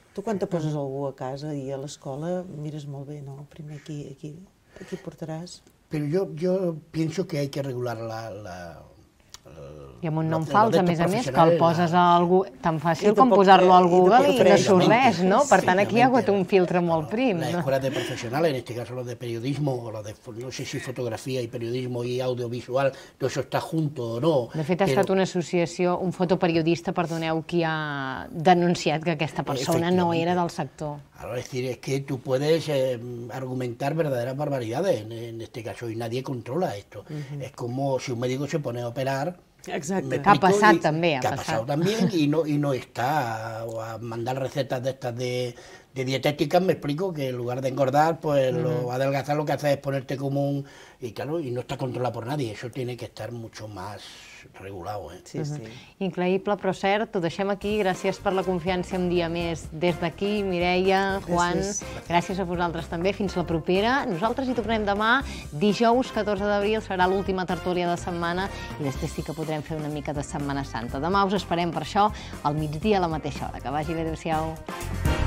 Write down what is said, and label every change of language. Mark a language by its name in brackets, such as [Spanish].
[Catalan] Tu quan te poses algú a casa i a l'escola mires molt bé, no? Primer aquí portaràs... [Spanish] Pero yo pienso que hay que regular la [Catalan] y amb un nom fals, a més, que el poses a algú tan fàcil com posar-lo al Google i no surt res, no? Per tant, aquí hi ha hagut un filtre molt prim. [Spanish] La escuela de profesional, en este caso, lo de periodismo, o lo de, no sé si fotografía y periodismo y audiovisual, todo eso está junto o no. [Catalan] De fet, ha estat una associació, un fotoperiodista, perdoneu, qui ha denunciat que aquesta persona no era del sector. [Spanish] Ahora, es que tú puedes argumentar verdaderas barbaridades, en este caso, y nadie controla esto. Es como si un médico se pone a operar. [Catalan] Exacte. Que ha passat també. Que ha passat també i no està a mandar recetes d'estes de dietètica, m'explico, [Spanish] que en lugar d'engordar, pues lo adelgazar lo que hace es ponerte como un... Y claro, y no está controlado por nadie, eso tiene que estar mucho más regulado. Sí, sí. [Catalan] Increïble, però cert, ho deixem aquí. Gràcies per la confiança un dia més des d'aquí, Mireia, Juan. Gràcies a vosaltres també. Fins la propera. Nosaltres hi tornem demà, dijous 14 d'abril, serà l'última tertúlia de setmana i després sí que podrem fer una mica de Setmana Santa. Demà us esperem per això al migdia a la mateixa hora. Que vagi bé, adéu-siau. Adéu-siau.